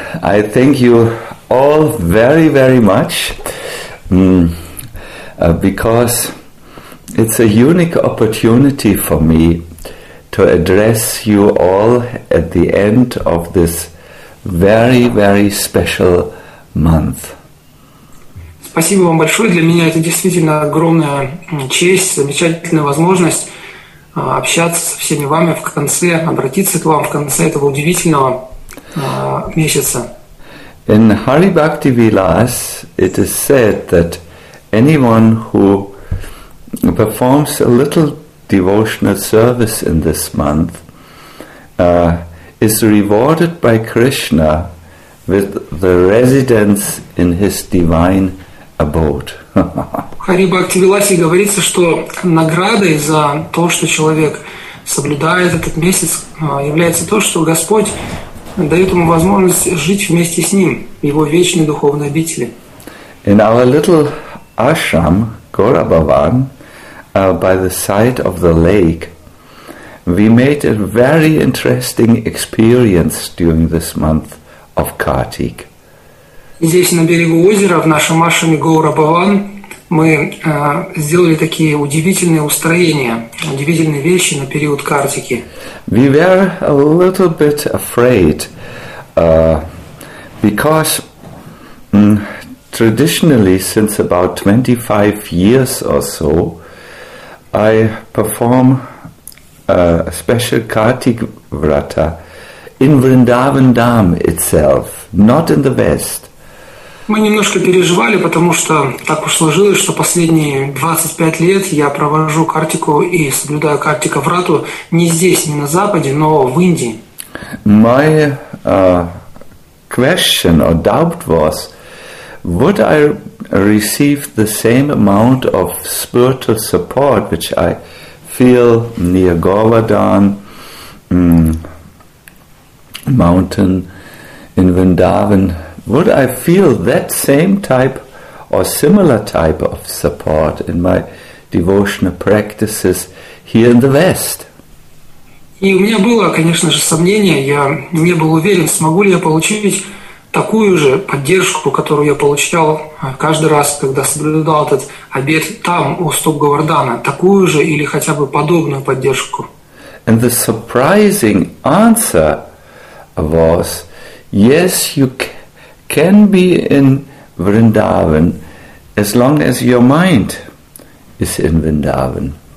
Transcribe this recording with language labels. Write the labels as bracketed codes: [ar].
[en] I thank you all very, very much, because it's a unique opportunity for me to address you all at the end of this very, very special month. [ru] Спасибо вам большое. Для меня это действительно огромная честь, замечательная возможность общаться со всеми вами в конце, обратиться к вам в конце этого удивительного месяца. [en] In Hari Bhakti Vilas, it is said that anyone who performs a little devotional service in this month is rewarded by Krishna with the residence in his divine abode. [ru] В Hari Bhakti Vilasе говорится, что наградой за то, что человек соблюдает этот месяц, является то, что Господь дает ему возможность жить вместе с ним в его вечной духовной обители. [en] In our little ashram, Gorabhavan, by the side of the lake, we made a very interesting experience during this month of Kartik. [ru] Здесь, на берегу озера, в нашем ашраме Гаурабхаван, мы сделали такие удивительные устроения, удивительные вещи на период Картики. [en] We were a little bit afraid, because traditionally, since about 25 years or so, I perform a special Kartik Vrata in Vrindavan Dham itself, not in the West. [ru] Мы немножко переживали, потому что так уж сложилось, что последние 25 лет я провожу картику и соблюдаю картика врату не здесь, не на Западе, но в Индии. [en] My question or doubt was, would I receive the same amount of spiritual support, which I feel near Govardhan mountain in Vrindavan? Would I feel that same type or similar type of support in my devotional practices here in the West? [ru] И у меня было, конечно же, сомнение. Я не был уверен, смогу ли я получить такую же поддержку, которую я получал каждый раз, когда соблюдал этот обет там, у стоп Говардана, такую же или хотя бы подобную поддержку. [en] And the surprising answer was, yes, you can be in Vrindavan as long as your mind is in Vrindavan.